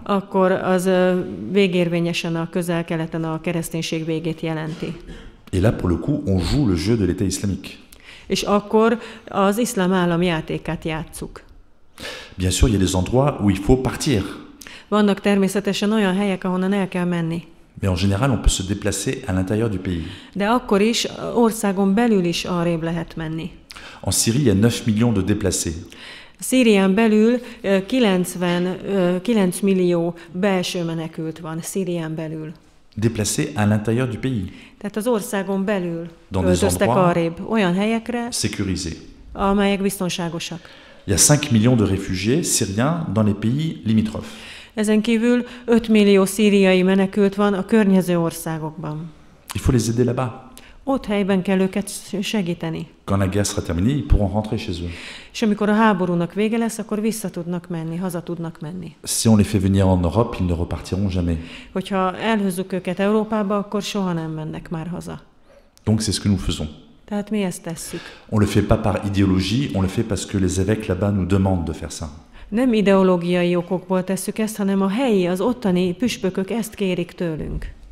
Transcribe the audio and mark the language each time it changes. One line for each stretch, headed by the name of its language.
Hungarian: Akkor az végérvényesen a Közel-Keleten a kereszténység végét jelenti.
French: Et là, pour le coup, on joue le jeu de l'État islamique.
Hungarian: És akkor az iszlám állam játékát játsszuk.
French: Bien sûr, il y a des endroits où il faut partir.
Hungarian: Vannak természetesen olyan helyek, ahonnan el kell menni.
French: Mais en général, on peut se déplacer à l'intérieur du pays.
Hungarian: De akkor is, országon belül is arrébb lehet menni.
French: En Syrie, il y a 9 millions de déplacés.
Hungarian: Szírián belül 9 millió belső menekült van, Szírián belül.
French: Déplacés à l'intérieur du pays.
Hungarian: Tehát az országon belül.
French: Dans des endroits
Hungarian: arrébb, olyan helyekre,
French: sécurisés.
Hungarian: Amelyek biztonságosak.
French: Il y a 5 millions de réfugiés syriens dans les pays limitrophes.
Hungarian: Ezen kívül 5 millió szíriai menekült van a környező országokban.
French: Il faut les aider là-bas.
Hungarian: Ott helyben kell őket segíteni.
French: Quand la guerre sera terminée, ils pourront rentrer chez eux.
Hungarian: És amikor a háborúnak vége lesz, akkor vissza tudnak menni, haza tudnak menni.
French: Si on les fait venir en Europe, ils ne repartiront jamais.
Hungarian: Hogyha elhozzuk őket Európába, akkor soha nem mennek már haza.
French: Donc c'est ce que nous faisons.
Hungarian: Tehát mi ezt tesszük.
French: On le fait pas par idéologie, on le fait parce que les évêques là-bas nous demandent de faire ça.
Hungarian: Nem ideológiai okokból tesszük ezt, hanem a helyi, az ottani püspökök ezt kérik tőlünk.